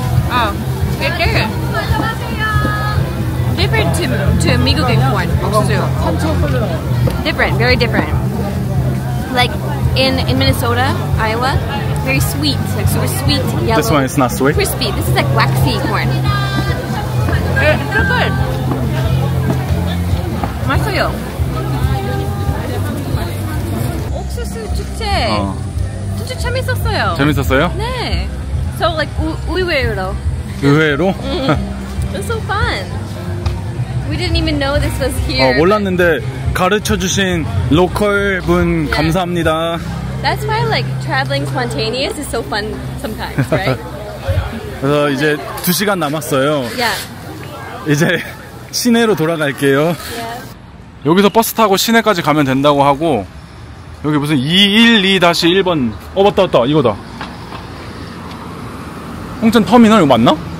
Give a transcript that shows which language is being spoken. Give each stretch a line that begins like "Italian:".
Korean: 아, 이게
English: different to
Korean: 미국의 corn, 옥수수.
English: Different, very different. Like in Minnesota, Iowa, very sweet, like super sweet yellow. This one is not sweet? Crispy, this is like waxy corn. It's so good.
Korean: 맛있어요. 옥수수 축제. 진짜 재밌었어요. 재밌었어요? 네.
English: So like
Korean: 의외로. 의외로?
English: It was so fun. We didn't even know this was here.
Korean: 몰랐는데 가르쳐 주신 로컬 분 yeah. 감사합니다.
English: That's why like traveling spontaneous is so fun sometimes, right?
Korean: 그래서 이제 2시간 남았어요.
English: Yeah.
Korean: 이제 시내로 돌아갈게요.
English: Yeah.
Korean: 여기서 버스 타고 시내까지 가면 된다고 하고 여기 무슨 212-1번 맞다 이거다 홍천 터미널 이거 맞나?